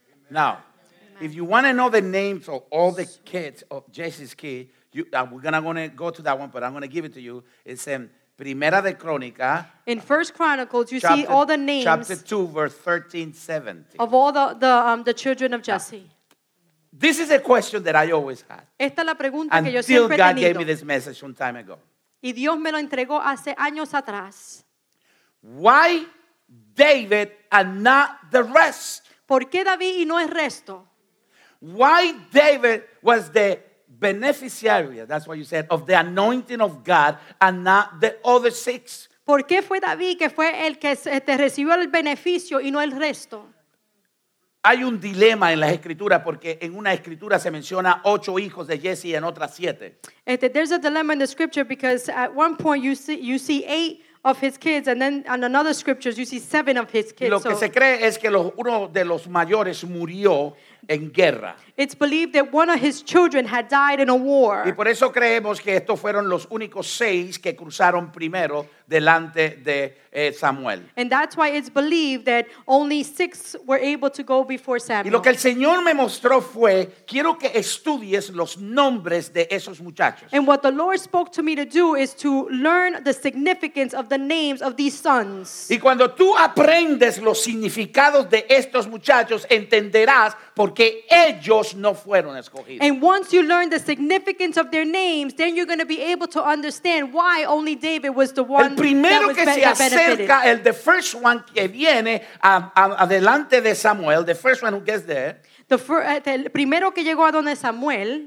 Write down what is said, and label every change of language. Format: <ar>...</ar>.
<en>Now, if you want to know the names of all the kids of Jesse's kid, we're going to go to that one, but I'm going to give it to you. It's in</en> <es>Primera de Crónica.</es> <en>In First Chronicles, you see all the names. Chapter 2, verse 13, 17. Of all the children of Jesse. This is a question that I always had.</en> <es>Esta es la pregunta</es> <en>until</en> <es>que yo siempre</es> <en>God</en> <es>tenido.</es> <en>Gave me this message some time ago.</en> <es>Y Dios me lo entregó hace años atrás.</es> <en>Why David and not the rest?</en> <es>¿Por qué David y no el resto?</es> <en>Why David was the beneficiary, that's what you said, of the anointing of God and not the other six?</en> <es>¿Por qué fue David que fue el que recibió el beneficio y no el resto? Hay un dilema en las escrituras porque en una escritura se menciona 8 hijos de Jesse y en otras 7.</es> <en>There's a dilemma in the scripture because at one point you see 8 of his kids, and then on another scriptures you see 7 of his kids.</en> <es>Lo que se cree es que uno de los mayores murió en guerra.</es> <en>It's believed that one of his children had died in a war.</en> <es>Y por eso creemos que estos fueron los únicos 6 que cruzaron primero delante de Samuel.</es> <en>And that's why it's believed that only 6 were able to go before Samuel.</en> <es>Y lo que el Señor me mostró fue, quiero que estudies los nombres de esos muchachos.</es> <en>And what the Lord spoke to me to do is to learn the significance of the names of these sons.</en> <es>Y cuando tú aprendes los significados de estos muchachos, entenderás porque ellos no fueron escogidos.</es> <en>And once you learn the significance of their names, then you're going to be able to understand why only David was the one.</en> <es>El primero</es> <en>that was</en> <es>que se acerca, el</es> <en>the first one</en> <es>que viene adelante de Samuel,</es> <en>the first one who gets there.</en> <es>El primero que llegó a donde Samuel.</es>